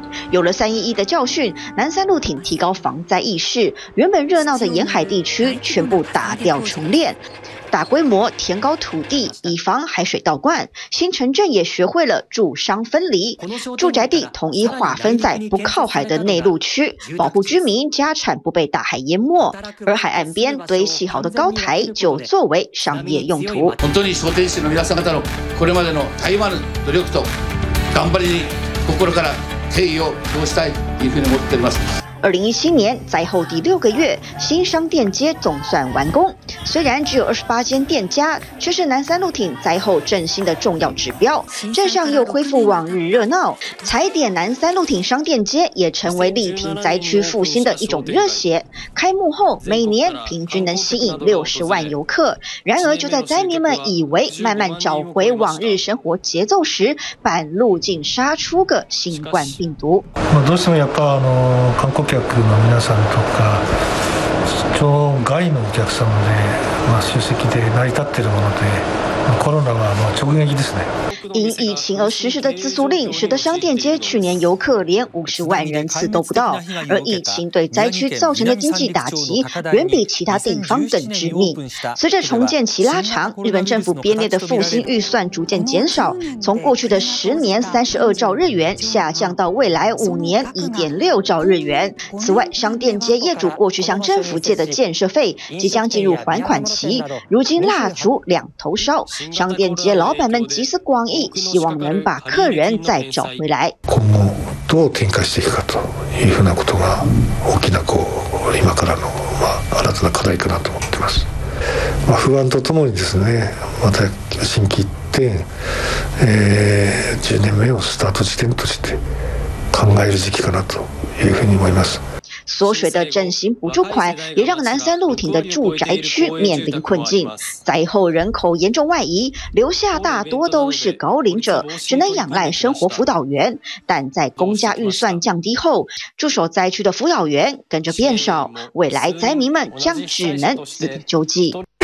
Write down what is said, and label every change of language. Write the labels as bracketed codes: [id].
[zh] 有了3.11的教训，南三陆町提高防灾意识，原本热闹的沿海地区全部打掉重练，大规模填高土地以防海水倒灌，新城镇也学会了住商分离，住宅地统一划分在不靠海的内陆区，保护居民家产不被大海淹没，而海岸边堆砌好的高台就作为商业用途。 [ja] 本当に商店主の皆さん方のこれまでの大変な努力と頑張りに心から敬意を表したいというふうに思っております。 [zh] 2017年灾后第6个月，新商店街总算完工。虽然只有28间店家，却是南三陆町灾后振兴的重要指标。镇上又恢复往日热闹，踩点南三陆町商店街也成为力挺灾区复兴的一种热血。开幕后每年平均能吸引60万游客。然而就在灾民们以为慢慢找回往日生活节奏时，半路竟杀出个新冠病毒。 [ja] どうしてもやっぱ顧客の皆さんとか出張外のお客様で、集積で成り立っているもので、コロナは直撃ですね。 [zh] 因疫情而实施的自粛令，使得商店街去年游客连50万人次都不到，而疫情对灾区造成的经济打击远比其他地方更致命。随着重建期拉长，日本政府编列的复兴预算逐渐减少，从过去的10年32兆日元下降到未来5年1.6兆日元。此外，商店街业主过去向政府借的建设费即将进入还款期，如今蜡烛两头烧，商店街老板们集思广益，希望能把客人再找回来。 [ja] 今後どう展開していくかというふうなことが大きな今からの新たな課題かなと思ってます。不安とともにですね、また新規一点、10年目をスタート地点として考える時期かなというふうに思います。 [zh] 缩水的振兴补助款也让南三陆町的住宅区面临困境，灾后人口严重外移，留下大多都是高龄者，只能仰赖生活辅导员，但在公家预算降低后，驻守灾区的辅导员跟着变少，未来灾民们将只能自力救济。